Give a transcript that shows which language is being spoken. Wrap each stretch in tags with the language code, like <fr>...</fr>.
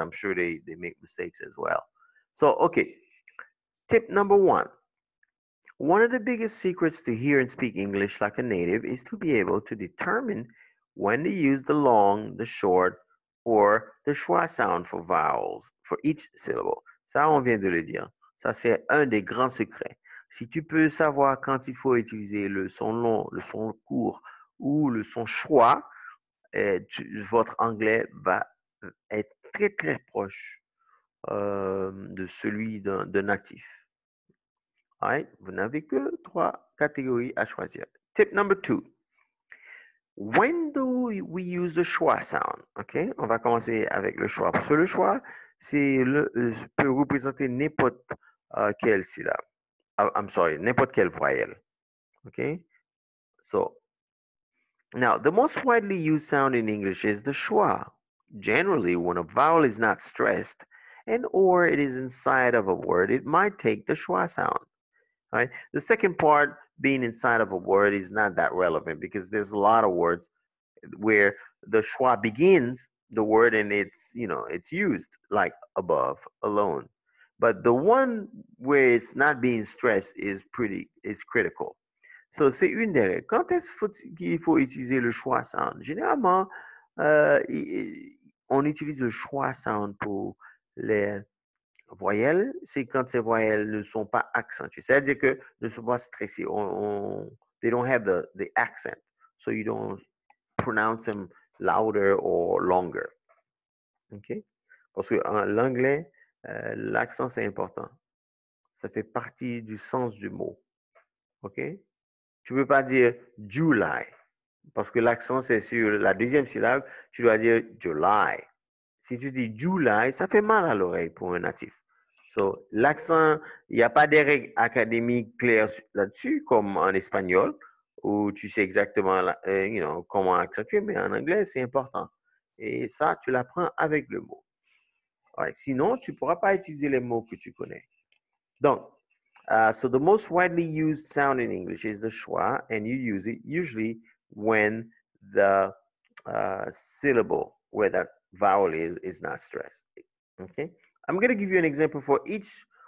<en>I'm sure they make mistakes as well. So, okay, tip number one. One of the biggest secrets to hear and speak English like a native is to be able to determine when to use the long, the short, or the schwa sound for vowels, for each syllable.</en> <fr>Ça, on vient de le dire. Ça, c'est un des grands secrets. Si tu peux savoir quand il faut utiliser le son long, le son court ou le son schwa, votre anglais va être très, très proche de celui d'un natif. All right? Vous n'avez que trois catégories à choisir.</fr> <en>Tip number two. When do we use the schwa sound? Okay,</en> <fr>on va commencer avec le schwa. Parce que le schwa, peut représenter n'importe quelle syllabe.</fr> <en>I'm sorry,</en> <fr>n'importe quelle voyelle.</fr> <en>Okay, so now the most widely used sound in English is the schwa. Generally, when a vowel is not stressed and or it is inside of a word, it might take the schwa sound. Right? The second part being inside of a word is not that relevant because there's a lot of words where the schwa begins the word and it's used like above, alone. But the one where it's not being stressed is critical.</en> <fr>So c'est une des règles. Quand est-ce qu'il faut utiliser le schwa sound? Généralement, on utilise le schwa sound pour les voyelles, c'est quand ces voyelles ne sont pas accentuées. C'est-à-dire que ne sont pas stressées.</fr> <en>They don't have the accent. So you don't pronounce them louder or longer.</en> <fr>OK? Parce que en l'anglais, l'accent, c'est important. Ça fait partie du sens du mot. OK? Tu ne peux pas dire « July » parce que l'accent, c'est sur la deuxième syllabe. Tu dois dire « July ». Si tu dis « July », ça fait mal à l'oreille pour un natif. So, l'accent, il n'y a pas des règles académiques claires là-dessus, comme en espagnol, où tu sais exactement comment accentuer, mais en anglais, c'est important. Et ça, tu l'apprends avec le mot. Alright, sinon, tu ne pourras pas utiliser les mots que tu connais.</fr> <en>Donc, so the most widely used sound in English is the schwa, and you use it usually when the syllable, where that vowel is not stressed. Okay? I'm going to give you an example for each</en>